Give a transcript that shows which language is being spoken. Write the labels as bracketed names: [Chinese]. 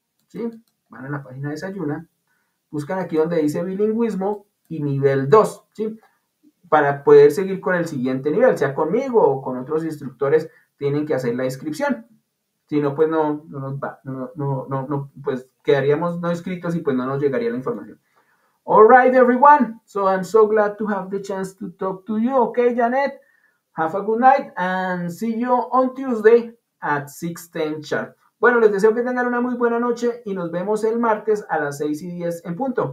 [Spanish] Sí, van a la página de Sayuna. Buscan aquí donde dice bilingüismo y nivel 2. Sí. Para poder seguir con el siguiente nivel, sea conmigo o con otros instructores, tienen que hacer la inscripción. Si no, pues no, pues quedaríamos no inscritos y pues no nos llegaría la información. [English] All right, everyone. So I'm so glad to have the chance to talk to you. Okay, Janet, have a good night and see you on Tuesday at 6:10 sharp. [Spanish] Bueno, les deseo que tengan una muy buena noche y nos vemos el martes a las 6:10 en punto.